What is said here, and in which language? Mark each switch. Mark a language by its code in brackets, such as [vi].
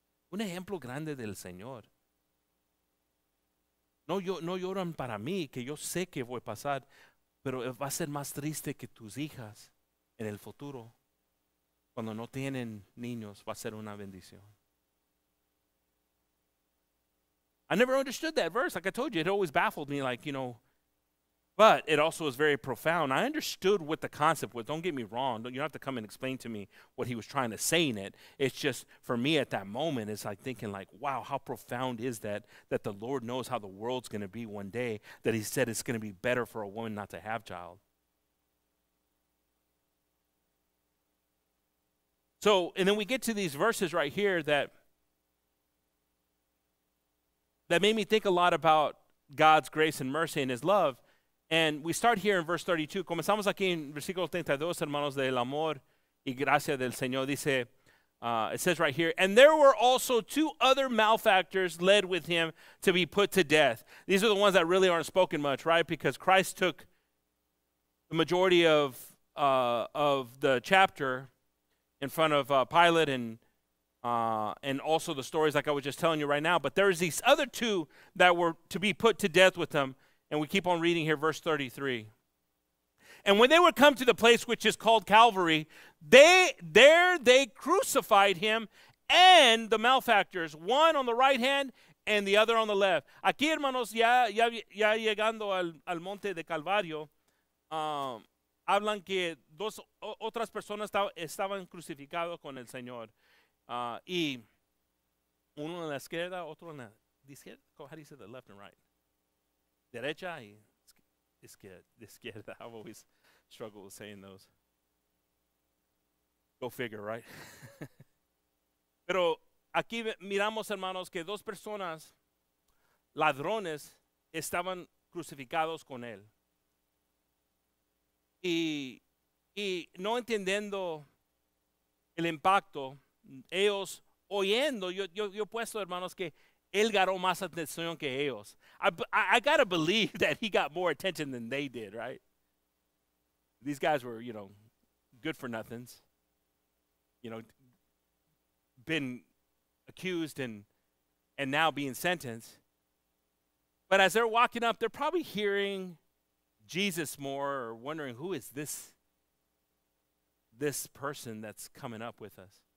[es] Un ejemplo grande del Señor. No lloran para mí, que yo sé que voy a pasar, pero va a ser más triste que tus hijas en el futuro. Cuando no tienen niños, va a ser una bendición. [en] I never understood that verse. Like I told you, it always baffled me, like, you know, but it also is very profound. I understood what the concept was. Don't get me wrong. You don't have to come and explain to me what he was trying to say in it. It's just for me at that moment, it's like thinking like, wow, how profound is that? That the Lord knows how the world's going to be one day, that He said it's going to be better for a woman not to have child. So, and then we get to these verses right here that made me think a lot about God's grace and mercy and His love. And we start here in verse 32. [es] Comenzamos aquí en versículo 32, hermanos, del amor y gracia del Señor. Dice, [en] It says right here, and there were also two other malefactors led with him to be put to death. These are the ones that really aren't spoken much, right? Because Christ took the majority of the chapter in front of Pilate and also the stories like I was just telling you right now. But there's these other two that were to be put to death with him. And we keep on reading here, verse 33. And when they would come to the place which is called Calvary, they crucified him and the malefactors, one on the right hand and the other on the left. [es] Aquí, hermanos, ya llegando al monte de Calvario, hablan que dos otras personas estaban crucificados con el Señor. Y uno en la izquierda, otro en la izquierda. [en] How do you say the left and right? [es] Derecha y izquierda. [en] I've always struggled with saying those. Go figure, right? [es] Pero aquí miramos, hermanos, que dos personas, ladrones, estaban crucificados con él. Y no entendiendo el impacto, ellos oyendo, yo he puesto, hermanos, que él ganó más atención que ellos. [en] I got to believe that he got more attention than they did, right? These guys were, you know, good for nothings. You know, been accused and now being sentenced. But as they're walking up, they're probably hearing Jesus more, or wondering, who is this person that's coming up with us?